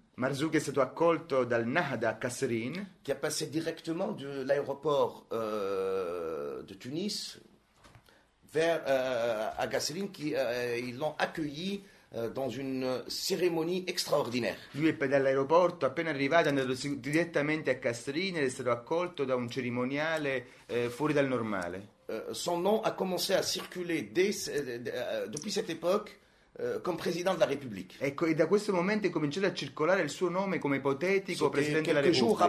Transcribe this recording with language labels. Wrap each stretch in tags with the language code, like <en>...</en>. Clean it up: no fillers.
<it>Marzouk è stato accolto dal Nahda a Kasserin,</it> <fr>qui a passé directement de l'aéroport de Tunis vers à Gasserine, qui ils l'ont accueilli dans une cérémonie extraordinaire.</fr> <it>Lui è dall'aeroporto, appena arrivato, è andato direttamente a Kasserine ed è stato accolto da un cerimoniale fuori dal normale.</it> <fr>Son nom a commencé à circuler depuis cette époque comme président de la République.</fr> <it>Ecco, e da questo momento è cominciato a circolare il suo nome come ipotetico presidente della Repubblica.</it>